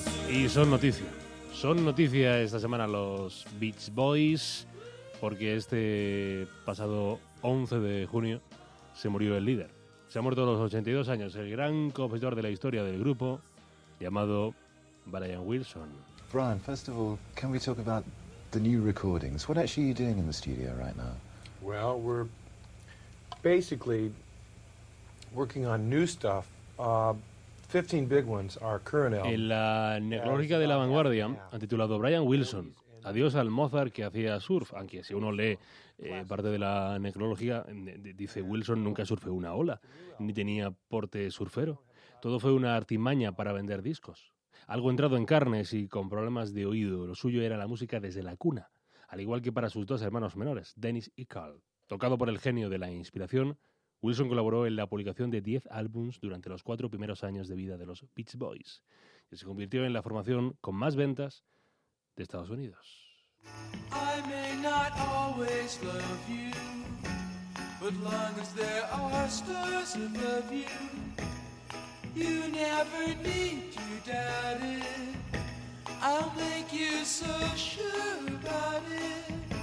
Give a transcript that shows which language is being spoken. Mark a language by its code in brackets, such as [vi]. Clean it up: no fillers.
[es] Y son noticia esta semana los Beach Boys, porque este pasado 11 de junio se murió el líder. Se ha muerto a los 82 años, el gran compositor de la historia del grupo, llamado Brian Wilson. [en] Brian, first of all, can we talk about the new recordings? What actually are you doing in the studio right now? Well, we're basically working on new stuff. 15 big ones are current. [es] En la necrológica de La Vanguardia, titulado Brian Wilson, adiós al Mozart que hacía surf, aunque si uno lee parte de la necrológica, dice Wilson nunca surfeó una ola, ni tenía porte surfero. Todo fue una artimaña para vender discos. Algo entrado en carnes y con problemas de oído, lo suyo era la música desde la cuna, al igual que para sus dos hermanos menores, Dennis y Carl. Tocado por el genio de la inspiración, Wilson colaboró en la publicación de 10 álbums durante los 4 primeros años de vida de los Beach Boys, y se convirtió en la formación con más ventas de Estados Unidos. [en] I may not always love you, but long as there are stars above you, you never need to doubt it. I'll make you so sure about it.